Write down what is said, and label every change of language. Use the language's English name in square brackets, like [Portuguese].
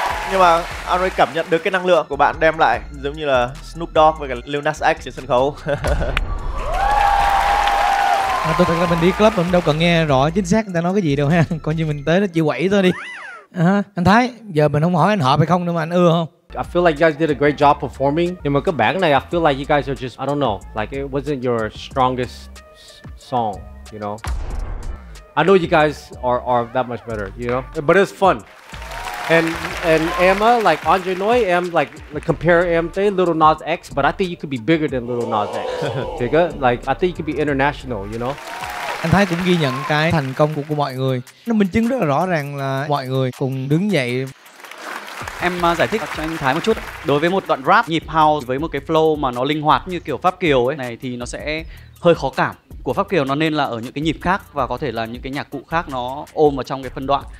[Vietnamese] Nhưng mà Andre cảm nhận được cái năng lượng của bạn đem lại. Giống như là Snoop Dogg với cả Lil Nas X trên sân khấu. Tôi thật là mình đi club mình đâu cần nghe rõ chính xác người ta nói cái gì đâu ha. Coi như mình tới nó chỉ quẩy thôi đi. Anh Thái, giờ mình không hỏi anh hợp hay không nữa mà anh ưa không? [English] I feel like you guys did a great job performing. [Vietnamese] Nhưng mà cái bản này, [English] I feel like you guys are just, I don't know, like it wasn't your strongest song, you know? I know you guys are that much better, you know? But it's fun. And Emma, like Andre Noi, em like compare em to Lil Nas X, but I think you could be bigger than Lil Nas X. Like I think you could be international, you know? [Vietnamese] Anh Thái cũng ghi nhận cái thành công của mọi người. Nó minh chứng rất là rõ ràng là mọi người cùng đứng dậy. Em giải thích cho anh Thái một chút. Đối với một đoạn rap nhịp house với một cái flow mà nó linh hoạt như kiểu Pháp Kiều ấy này thì nó sẽ hơi khó cảm. Của Pháp Kiều nó nên là ở những cái nhịp khác và có thể là những cái nhạc cụ khác nó ôm vào trong cái phân đoạn.